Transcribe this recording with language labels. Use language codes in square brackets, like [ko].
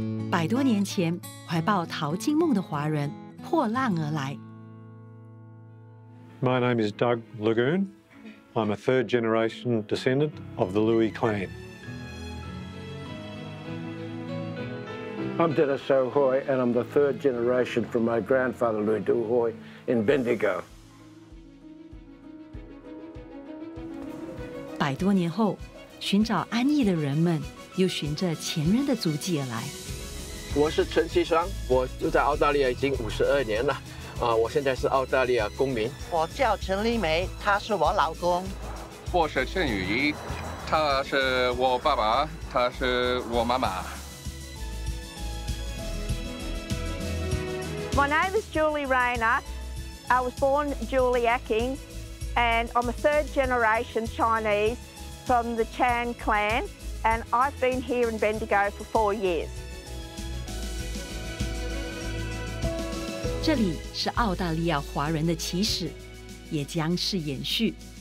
[zh] 百多年前，怀抱淘金梦的华人破浪而来。 [en] My name is Doug Lagoon. I'm a third generation descendant of the Louis clan. I'm Dennis Sohoy, and I'm the third generation from my grandfather Louis Duhoy in Bendigo. [zh] 百多年后，寻找安逸的人们又循着前人的足迹而来。我是陈其双，我住在澳大利亚已经52年了，我现在是澳大利亚公民。我叫陈丽梅，她是我老公。我是陈雨怡，她是我爸爸，她是我妈妈。 [en] My name is Julie Rayner. I was born Julie Acking, and I'm a third generation Chinese from the Chan clan, and I've been here in Bendigo for 4 years. [zh] 这里是澳大利亚华人的起始，也将是延续。